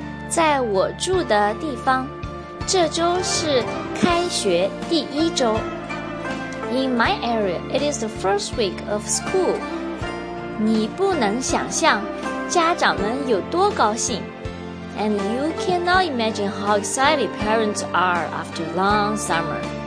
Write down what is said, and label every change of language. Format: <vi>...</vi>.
<zh>在我住的地方,这周是开学第一周。</zh> <en>In my area, it is the first week of school.</en> <zh>你不能想象家长们有多高兴。</zh> <en>And you cannot imagine how excited parents are after long summer.</en>